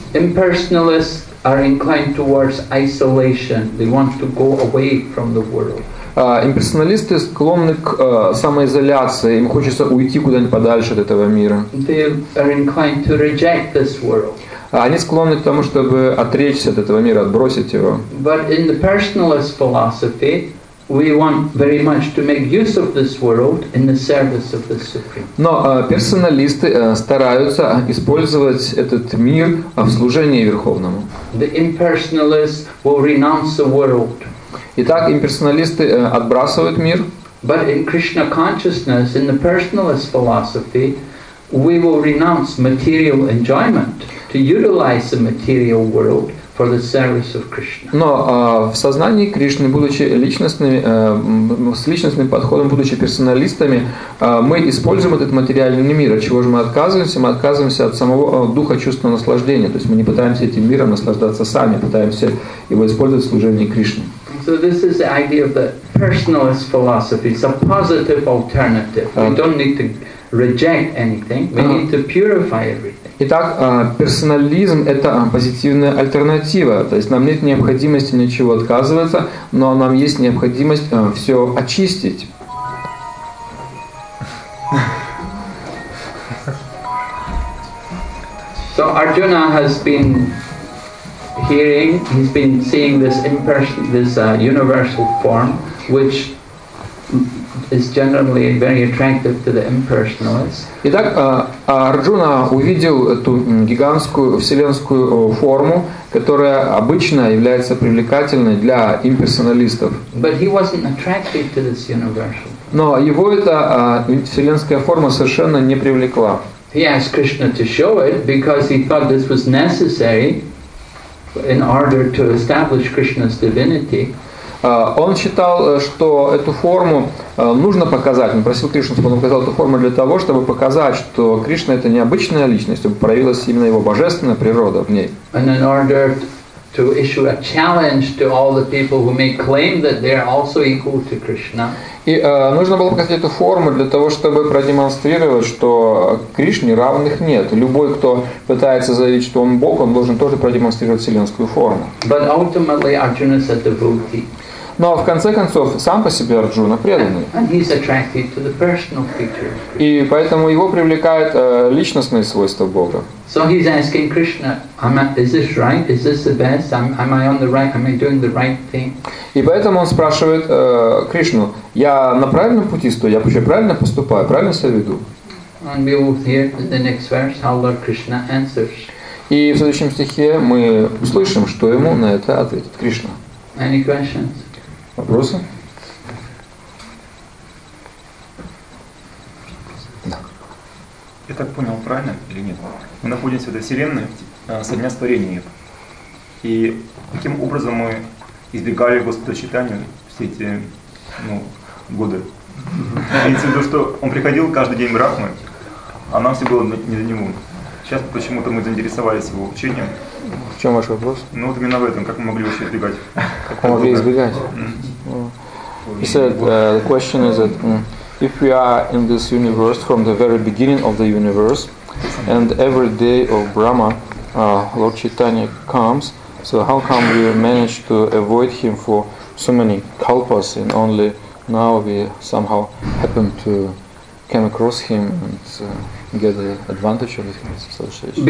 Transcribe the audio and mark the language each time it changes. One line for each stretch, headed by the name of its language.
English: Impersonalists are inclined towards isolation. They want to go away from the world.
Russian: Имперсоналисты склонны к самоизоляции. Им хочется уйти куда-нибудь подальше от этого мира.
English: They are inclined to reject this world.
Russian: Они склонны к тому, чтобы отречься от этого мира, отбросить его.
English: But in the personalist philosophy, we want very much to make use of this world in the service of the Supreme.
Russian: Но персоналисты стараются использовать этот мир в служении Верховному.
English: The impersonalists will renounce the world.
Russian: Итак, имперсоналисты отбрасывают мир.
English: But in Krishna consciousness, in the personalist philosophy, we will renounce material enjoyment to utilize the material world for the service of Krishna.
Russian: Но в сознании Кришны, будучи личностными, с личностным подходом, будучи персоналистами, мы используем этот материальный мир. От чего же мы отказываемся? Мы отказываемся от самого духа чувства наслаждения. То есть мы не пытаемся этим миром наслаждаться сами, пытаемся его использовать в служении Кришне.
English: So this is the idea of the personalist philosophy. It's a positive alternative. We don't need to reject anything. We need to purify everything.
Russian: Итак, персонализм – это позитивная альтернатива. То есть нам нет необходимости ничего отказываться, но нам есть необходимость все очистить.
English: So Arjuna has been hearing, he's been seeing this universal form, which is generally very attractive to the impersonalists.
Russian: Итак, Арджуна увидел эту гигантскую вселенскую форму, которая обычно является привлекательной для имперсоналистов.
English: But he wasn't attracted to this universal.
Russian: Но его эта вселенская форма совершенно не привлекла.
English: He asked Krishna to show it because he thought this was necessary in order to establish Krishna's divinity.
Russian: Он считал, что эту форму нужно показать. Он просил Кришну, чтобы он показал эту форму для того, чтобы показать, что Кришна – это необычная личность, чтобы проявилась именно его божественная природа в ней.
English: And in order to issue a challenge to all the people who may claim that they are also equal to Krishna.
Russian: И нужно было показать эту форму для того, чтобы продемонстрировать, что Кришне равных нет. Любой, кто пытается заявить, что он Бог, он должен тоже продемонстрировать вселенскую форму.
English: But ultimately Arjuna is a devotee.
Russian: Но в конце концов, сам по себе Арджуна преданный.
English: And he's attracted to the personal features.
Russian: И поэтому его привлекают личностные свойства Бога.
English: So he's asking Krishna, is this right? Is this the best? Am I on the right? Am I doing the right thing?
Russian: И поэтому он спрашивает Кришну, я на правильном пути стою, я вообще правильно поступаю, правильно себя веду?
English: And we will hear in the next verse how Lord Krishna answers.
Russian: И в следующем стихе мы услышим, что ему на это ответит Кришна.
English: Any questions?
Russian: Вопросы? Да. Я так понял, правильно или нет? Мы находимся в этой вселенной со дня сотворения. И каким образом мы избегали Господа Чайтанью все эти годы? Имеется в виду, что он приходил каждый день в Брахмы, а нам все было не до него. Сейчас почему-то мы заинтересовались его учением. В чем ваш вопрос? Ну вот именно в этом, как мы могли вообще избегать? Как мы могли избегать?
English: He said, the question is that if we are in this universe from the very beginning of the universe, and every day of Brahma, Lord Chaitanya comes, so how come we managed to avoid him for so many kalpas, and only now we somehow happen to come across him and get the advantage of his association?